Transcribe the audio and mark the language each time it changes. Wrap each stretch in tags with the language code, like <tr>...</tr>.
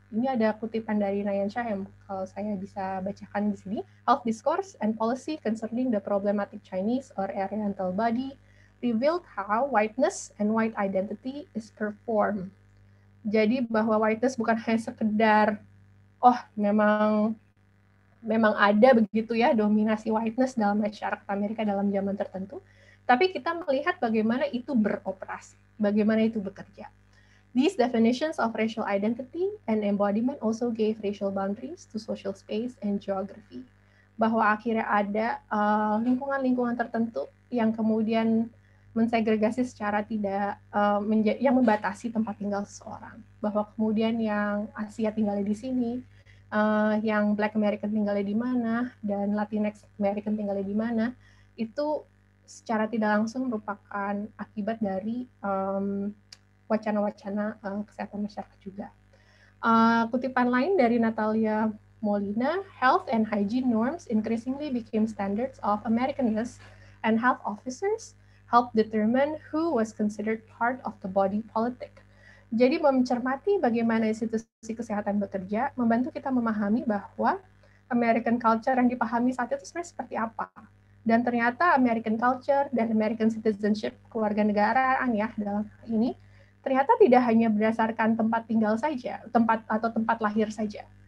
<id>Ini ada kutipan dari Nayan Shah yang kalau saya bisa bacakan di sini,</id> <en>"Health discourse and policy concerning the problematic Chinese or Oriental body revealed how whiteness and white identity is performed."</en> <id>Jadi bahwa whiteness bukan hanya sekedar, oh memang ada begitu ya dominasi whiteness dalam masyarakat Amerika dalam zaman tertentu, tapi kita melihat bagaimana itu beroperasi, bagaimana itu bekerja.</id> <en>"These definitions of racial identity and embodiment also gave racial boundaries to social space and geography."</en> <id>Bahwa akhirnya ada lingkungan-lingkungan tertentu yang kemudian mensegregasi secara tidak yang membatasi tempat tinggal seseorang, bahwa kemudian yang Asia tinggalnya di sini, yang Black American tinggalnya di mana, dan Latinx American tinggalnya di mana, itu secara tidak langsung merupakan akibat dari wacana-wacana kesehatan masyarakat juga. Kutipan lain dari</id> <en>Natalia Molina, "Health and hygiene norms increasingly became standards of Americanness, and health officers help determine who was considered part of the body politic."</en> <id>Jadi mencermati bagaimana institusi kesehatan bekerja membantu kita memahami bahwa American culture yang dipahami saat itu sebenarnya seperti apa. Dan ternyata American culture dan American citizenship, kewarganegaraan ya dalam ini, ternyata tidak hanya berdasarkan tempat tinggal saja, tempat lahir saja.</id>